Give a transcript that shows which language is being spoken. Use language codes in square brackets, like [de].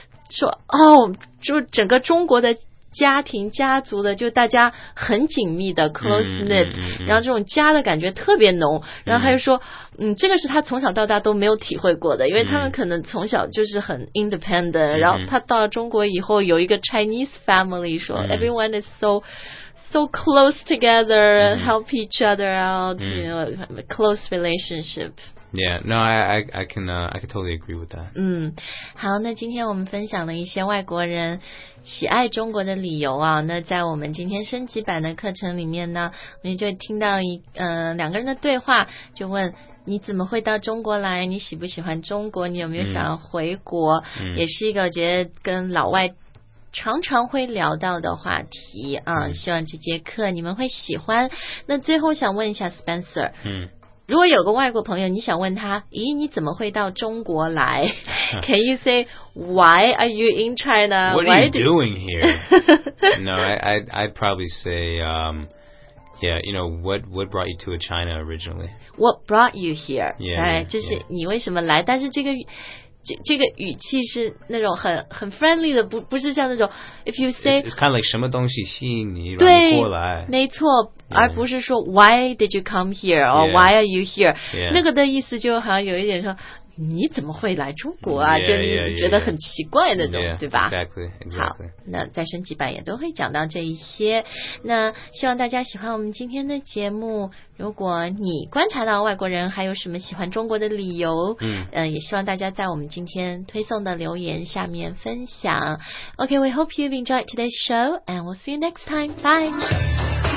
[zh] 说、哦，就整个中国的家庭家族的就大家很紧密的 close knit、然后这种家的感觉特别浓，然后他就说 这个是他从小到大都没有体会过的，因为他们可能从小就是很 independent、然后他到了中国以后有一个 Chinese family 说、 [en] everyone is so close together、help each other out、you know, close relationship Yeah, no, I can totally agree with that. [zh] 好，那今天我们分享了一些外国人喜爱中国的理由啊。那在我们今天升级版的课程里面呢，我们就听到两个人的对话，就问你怎么会到中国来？你喜不喜欢中国？你有没有想要回国？也是一个我觉得跟老外常常会聊到的话题啊。希望这节课你们会喜欢。那最后想问一下 Spencer。如果有个外国朋友，你想问他，咦，你怎么会到中国来？ [en] Can you say why are you in China? What are you doing here? No, I probably say, you know, what brought you to China originally? What brought you here? Yeah, [zh] right, 就是你为什么来？ [en] Yeah. [zh] 但是这个语气是那种很 friendly 的，不是像那种 [en] if you say it's kind of like [zh] 什么东西吸引你让你过来，没错。 [en] 而不是说 Why did you come here? Or why are you here? Yeah. [zh] 那个的意思就好像有一点说你怎么会来中国啊 [en] yeah, [zh] 就你觉得很奇怪那种 [en] yeah, [zh] 对吧 [en] exactly. [zh] 好，那在升级版也都会讲到这一些。那希望大家喜欢我们今天的节目，如果你观察到外国人还有什么喜欢中国的理由也希望大家在我们今天推送的留言下面分享。 [en] OK, we hope you've enjoyed today's show and we'll see you next time. Bye.